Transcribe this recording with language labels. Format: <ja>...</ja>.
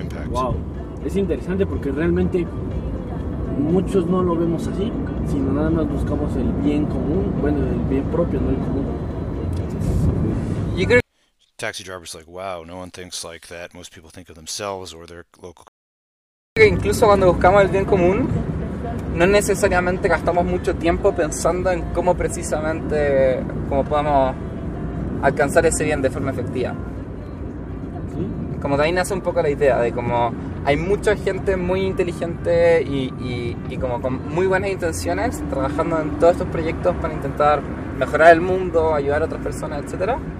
<es>Wow, es interesante porque realmente muchos no lo vemos así, sino nada más buscamos el bien común, bueno, el bien propio, no el común.</es> <en>Taxi driver's like, wow, no one thinks like that. Most people think of themselves or their local.</en> <es>Que incluso cuando buscamos el bien común, no necesariamente gastamos mucho tiempo pensando en cómo precisamente cómo podemos alcanzar ese bien de forma efectiva. Como de ahí nace un poco la idea de como hay mucha gente muy inteligente y como con muy buenas intenciones trabajando en todos estos proyectos para intentar mejorar el mundo, ayudar a otras personas, etc.</es>